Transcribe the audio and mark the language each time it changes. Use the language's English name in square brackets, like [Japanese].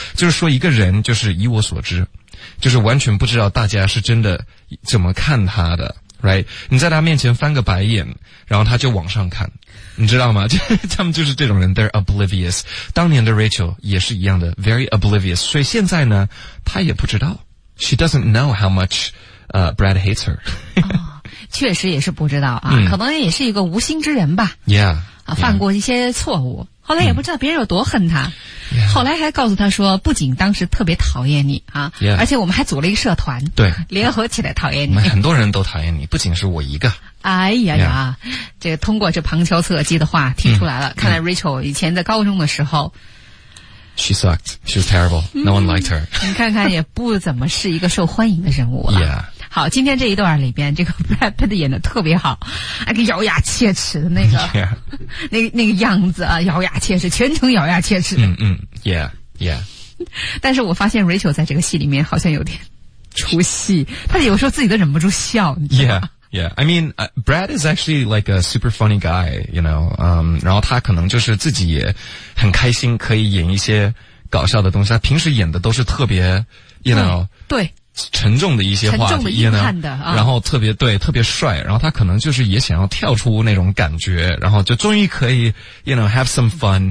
[Chinese] 就是说一个人就是以我所知就是完全不知道大家是真的怎么看他的 , [English] right? [Chinese] 你在他面前翻个白眼然后他就往上看。你知道吗他们就是这种人 [English] they're oblivious. [Chinese] 当年的 Rachel 也是一样的 [English] very oblivious. [Chinese] 所以现在呢他也不知道。 [English] She doesn't know how much, Brad hates her. [Chinese] 确实也是不知道啊、可能也是一个无心之人吧 [English] yeah, [Chinese] 啊，犯过一些错误、后来也不知道别人有多恨他、后来还告诉他说不仅当时特别讨厌你啊， [English] yeah, [Chinese] 而且我们还组了一个社团对，联合起来讨厌你、我们很多人都讨厌你不仅是我一个哎呀呀、这个通过这旁敲侧击的话听出来了、看来 Rachel 以前在高中的时候 [English] She sucked. She was terrible. No one liked her. [Chinese] 你看看也不怎么是一个受欢迎的人物了。 [English] Yeah. [Chinese] 好，今天这一段里边，这个 Brad Pitt 演的特别好，那个咬牙切齿的那个， [English] yeah. [Chinese] 那个样子啊，咬牙切齿，全程咬牙切齿。 [English] 嗯嗯 ，Yeah Yeah。 [Chinese] 但是我发现 Rachel 在这个戏里面好像有点出戏，他有时候自己都忍不住笑。 [English] Yeah Yeah, I mean, Brad is actually like a super funny guy, you know. [Chinese] 然后他可能就是自己也很开心，可以演一些搞笑的东西。他平时演的都是特别 ， [English] you know。 [Chinese] 对。沉重的一些话题，沉重的硬汉的，然后特别对特别帅，然后他可能就是也想要跳出那种感觉，然后就终于可以 [English] you know have some fun，